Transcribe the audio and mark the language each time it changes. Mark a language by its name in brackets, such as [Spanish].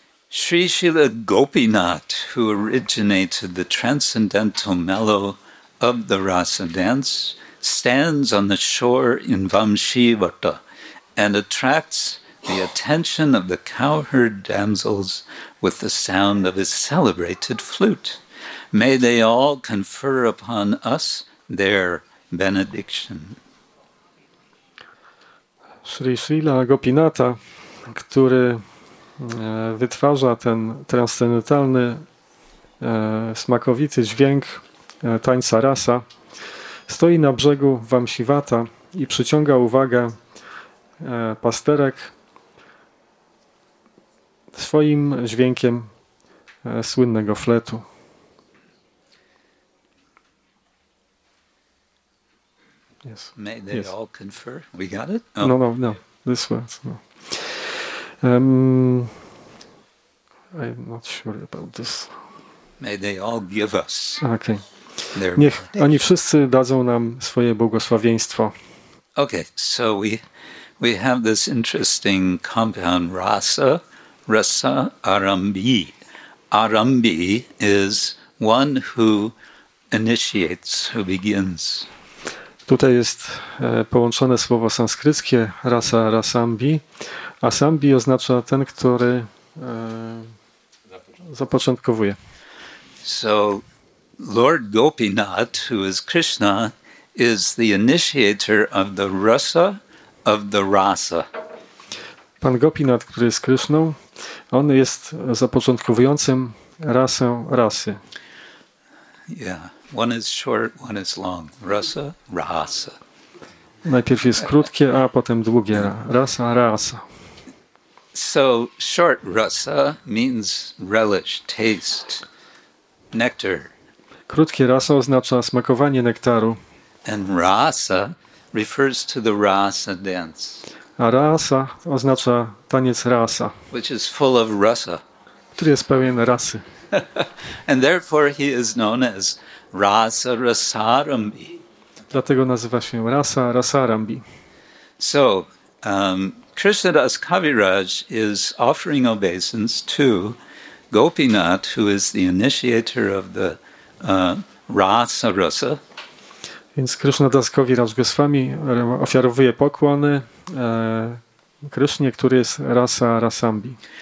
[English] Sri Srila Gopinath, who originated the transcendental mellow of the Rasa dance, stands on the shore in Vamshivata and attracts the attention of the cowherd damsels with the sound of his celebrated flute. May they all confer upon us their benediction. [Polish] Sri Srila Gopinatha, który wytwarza ten transcendentalny, smakowity dźwięk tańca rasa, stoi na brzegu Vamshivata i przyciąga uwagę pasterek swoim dźwiękiem słynnego fletu. [English] May they all confer? We got it? Oh. No. This works. No. I'm not sure about this. May they all give us. Okay. [Polish] Niech oni wszyscy dadzą nam swoje błogosławieństwo. [English] Okay, so we have this interesting compound rasa, rasa arambhi. Arambhi is one who initiates, who begins. [Polish] Tutaj jest połączone słowo sanskryckie rasa arambhi. Arambhi oznacza ten, który zapoczątkowuje. [English] So Lord Gopinath, who is Krishna, is the initiator of the rasa of the rasa. [Polish] Pan Gopinath, który jest Krishną, on jest zapoczątkowującym rasę rasy. [English] Yeah, one is short, one is long. Rasa, rasa. [Polish] Najpierw jest krótkie, a potem długie. Rasa, rasa. [English] So short rasa means relish, taste, nectar. [Polish] Krótkie rasa oznacza smakowanie nektaru. [English] And rasa refers to the rasa dance. [Polish] A rasa oznacza taniec rasa, [English] which is full of rasa, [Polish] który jest pełen rasy. [English] And therefore he is known as rasa rasarambhi. [Polish] Dlatego nazywa się rasa rasarambhi. [English] So Krishna Das Kaviraj is offering obeisance to Gopinath, who is the initiator of the rasa rasa. [Polish] Więc Krishna Das Kaviraj Goswami ofiarowuje pokłony Krishnie, który jest rasa rasambhi.